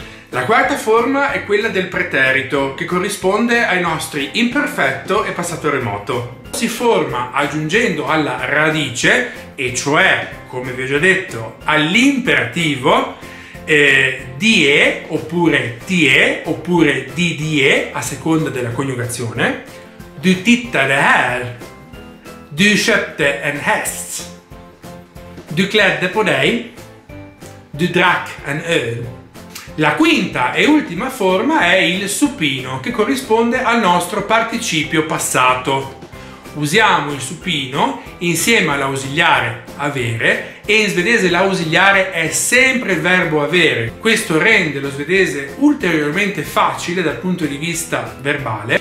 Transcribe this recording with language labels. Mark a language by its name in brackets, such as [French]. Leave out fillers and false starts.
[Italian] La quarta forma è quella del preterito, che corrisponde ai nostri imperfetto e passato remoto. Si forma aggiungendo alla radice, e cioè, come vi ho già detto, all'imperativo, die oppure tie oppure di die a seconda della coniugazione. [Swedish] Du tittade här, du köpte en häst, du klädde på dig, du drack en öl. [Italian] La quinta e ultima forma è il supino, che corrisponde al nostro participio passato. Usiamo il supino insieme all'ausiliare avere, e in svedese l'ausiliare è sempre il verbo avere. Questo rende lo svedese ulteriormente facile dal punto di vista verbale.